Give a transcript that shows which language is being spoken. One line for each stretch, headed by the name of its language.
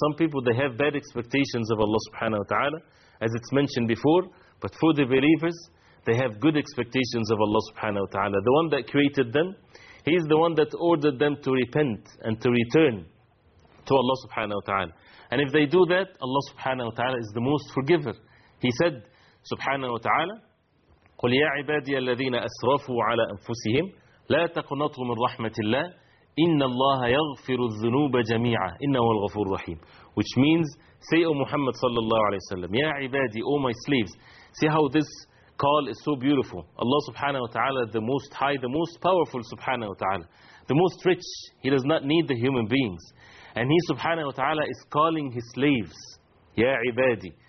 English: Some people, they have bad expectations of Allah subhanahu wa ta'ala, as it's mentioned before, but for the believers, they have good expectations of Allah subhanahu wa ta'ala. The one that created them, he is the one that ordered them to repent and to return to Allah subhanahu wa ta'ala. And if they do that, Allah subhanahu wa ta'ala is the most forgiver. He said, subhanahu wa ta'ala,
Arabic: قُلْ يَا عِبَادِيَ الَّذِينَ أَسْرَفُوا عَلَىٰ أَنفُسِهِمْ لَا تَقْنَطُوا مِنْ رَحْمَةِ اللَّهِ إِنَّ اللَّهَ يَغْفِرُ الذُّنُوبَ جَمِيعًا إِنَّهُ الْغَفُورُ الرَّحِيمُ.
English: Which means, say, O Muhammad sallallahu alayhi wa sallam, Ya ibadi, O my slaves, see how this call is so beautiful. Allah subhanahu wa ta'ala, the most high, the most powerful subhanahu wa ta'ala, the most rich, he does not need the human beings. And he subhanahu wa ta'ala is calling his slaves, Ya ibadi.